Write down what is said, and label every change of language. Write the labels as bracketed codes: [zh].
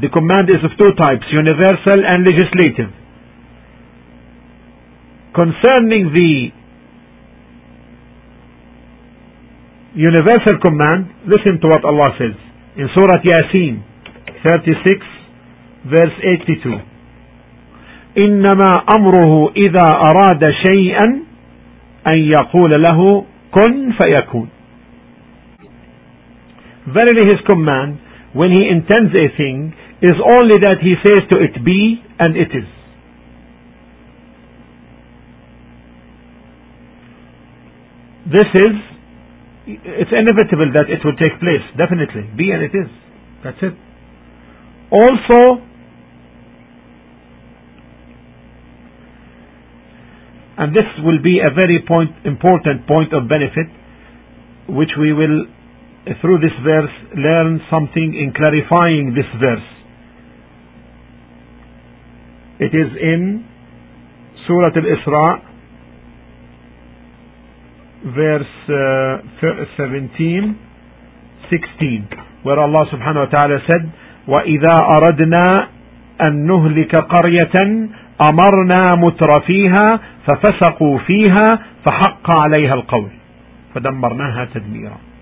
[en] The command is of two types, universal and legislative. Concerning the universal command, listen to what Allah says in Surah Yasin 36 verse 82. [ar] إِنَّمَا أَمْرُهُ إِذَا أَرَادَ شَيْئًا أَنْ يَقُولَ لَهُ كُنْ فَيَكُونَ. [en] Verily His command, when He intends a thing, is only that He says to it, be, and it is. This is, it's inevitable that it will take place, definitely. Be and it is. That's it. Also, and this will be a very important point of benefit, which we will, through this verse, learn something in clarifying this verse. It is in Surah Al-Isra, verse 17, 16, where Allah subhanahu wa ta'ala said, [ar] وَإِذَا أَرَدْنَا أَن نُهْلِكَ قَرْيَةً أَمَرْنَا مُتْرَفِيهَا فَفَسَقُوا فِيهَا فَحَقَّ عَلَيْهَا الْقَوْلِ فَدَمَّرْنَاهَا تَدْمِيرًا.